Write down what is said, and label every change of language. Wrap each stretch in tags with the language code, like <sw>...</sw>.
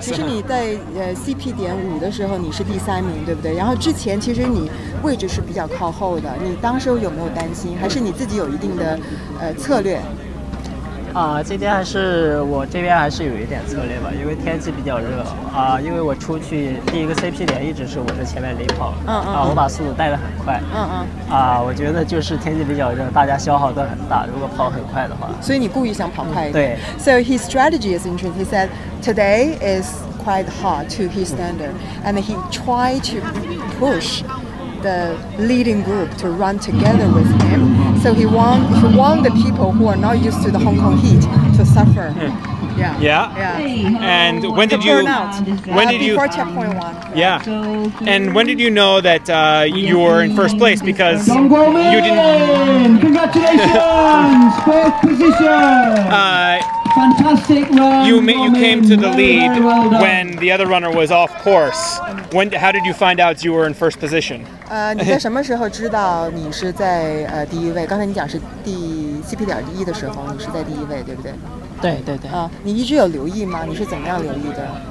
<zh>其实你在CP 点五的时候，你是第三名，对不对？然后之前其实你位置是比较靠后的，你当时有没有担心？还是你自己有一定的策略？今天还是有一点策略吧，因为天气比较热，因为我出去第一个 CP 点一直是我在前面领跑，我把速度带得很快，我觉得就是天气比较热，大家消耗得很大，如果跑很快的话，所以你故意想跑快一点。对，so</zh> <en>his strategy is interesting. He said today is quite hard to his standard, and he tried to push the leading group to run together with him. So he want the people who are not used to the Hong Kong heat to suffer. And when did you checkpoint one? Yeah. And when did you know that you were in first place? Because you didn't. Congratulations, first position. Fantastic run. You came to the lead when the other runner was off course. How did you find out you were in first position?</en> <zh>你在什么时候知道你是在第一位？刚才你讲是第CP点一的时候，你是在第一位，对不对？对。你一直有留意吗？你是怎么样留意的？</zh>